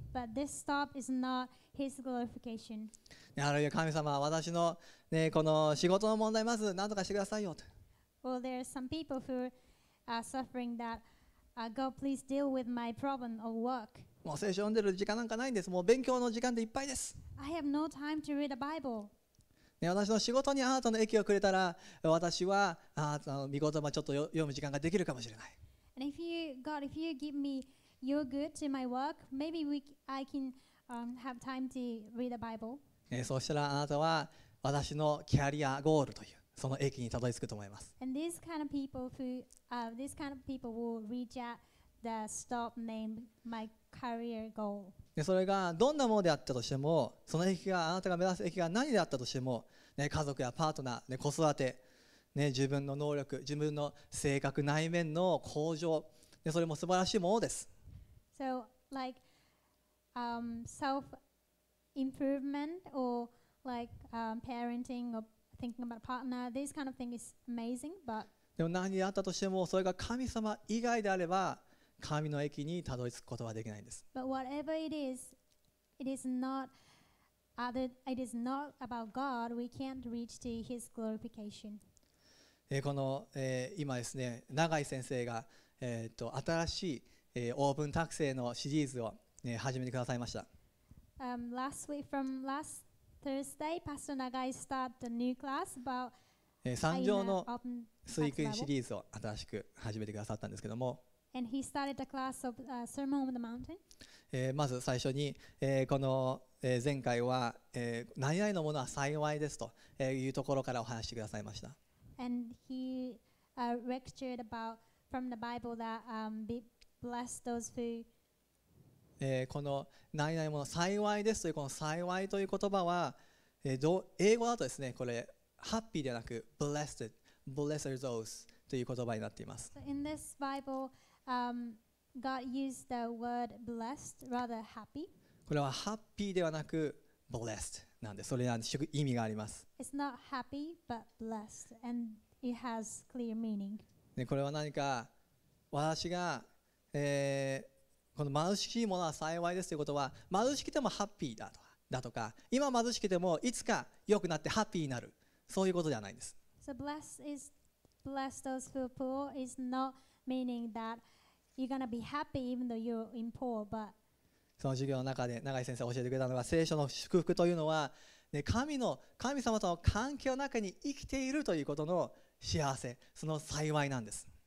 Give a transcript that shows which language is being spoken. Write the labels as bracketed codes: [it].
[en] But this stop is not his glorification. [ja] あるいは神様は私の、ね、この仕事の問題まず何とかしてくださいよと。 [en] Well, there are some people who are suffering that. God, please deal with my problem of work. [ja] もう聖書読んでる時間なんかないんです。もう勉強の時間でいっぱいです。 [en] I have no time to read the Bible. [ja] 私の仕事にあなたの益をくれたら私はあなたの御言葉をちょっと読む時間ができるかもしれない。 [en] And if you, God, if you give me your good to my work, maybe we, I can, have time to read the Bible. [ja] そうしたらあなたは私のキャリアゴールというその益にたどり着くと思います。 [en] And these kind of people who, these kind of people will reach at the stop name, my career goal. [ja] でそれがどんなものであったとしても、その駅があなたが目指す駅が何であったとしても、ね、家族やパートナー、ね、子育て、ね、自分の能力、自分の性格、内面の向上、でそれも素晴らしいものです。 [en] So, like, self-improvement or like, parenting or thinking about a partner, this kind of thing is amazing, but [ja] でも何であったとしても、それが神様以外であれば、神の駅にたどり着くことはできないんです。 [en] But whatever it is, it is not other, it is not about God. We can't reach to His glorification. [ja] この、今ですね、永井先生が、新しい、オープン託聖のシリーズを、ね、始めてくださいました。 [en] Last week, from last Thursday, Pastor Nagai started a new class about [ja] 三条の水訓シリーズを新しく始めてくださったんですけども。 [en] And he started a class of Sermon on the Mountain. [ja] まず最初に、この、前回は、何々のものは幸いですと、いうところからお話してくださいました。 [en] And he, lectured about from the Bible that, be blessed those who. [ja] この何々のもの幸いですというこの幸いという言葉は、英語だとですね、これ happy ではなく [en] blessed, blessed are those [ja] という言葉になっています。 [en] So、in this Bible. God used the word blessed, rather happy. [ja] これはハッピーではなく blessed なんで、それは意味があります。 [en] It's not happy, but blessed, and it has clear meaning. [ja] これは何か私が、この貧しいものは幸いですということは、貧しくてもハッピーだとか、今貧しくてもいつか良くなってハッピーになる、そういうことではないんです。 [en] So blessed those who are poor is not. Meaning that you're gonna be happy even though you're in poor, but [ja] その授業の中で永井先生教えてくれたのは、聖書の祝福というのは、ね、神様との関係の中に生きているということの幸せ、その幸いなんです。